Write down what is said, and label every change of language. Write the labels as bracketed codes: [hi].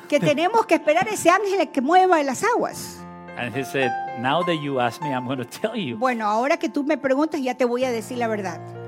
[es] Que tenemos que esperar ese ángel que mueva las aguas. [en] And he said, now that you ask me, I'm going to tell you. [es] Bueno, ahora que tú me preguntas, ya te voy a decir la verdad.